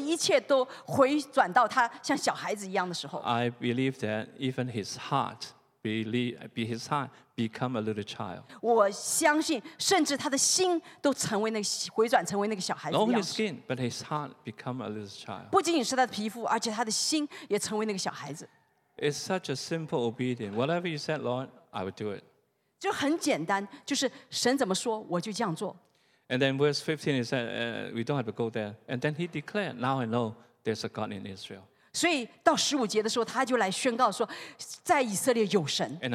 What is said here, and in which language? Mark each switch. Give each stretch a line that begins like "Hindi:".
Chinese: 所以这不仅仅是他的皮肤，是所有的一切都回转到他像小孩子一样的时候。
English: I believe that even his heart become a little child.
Chinese: 我相信甚至他的心都成为那个回转成为那个小孩子一样。
English: Not only his skin, but his heart become a little child.
Chinese: 不仅仅是他的皮肤，而且他的心也成为那个小孩子。
English: It's such a simple obedience. Whatever you said, Lord, I would do it.
Chinese: 就很简单，就是神怎么说，我就这样做。
English: And then verse 15, he said, "We don't have to go there." And then he declared, "Now I know there's a God in Israel."
Chinese: 所以到十五节的时候，他就来宣告说，在以色列有神。
English: And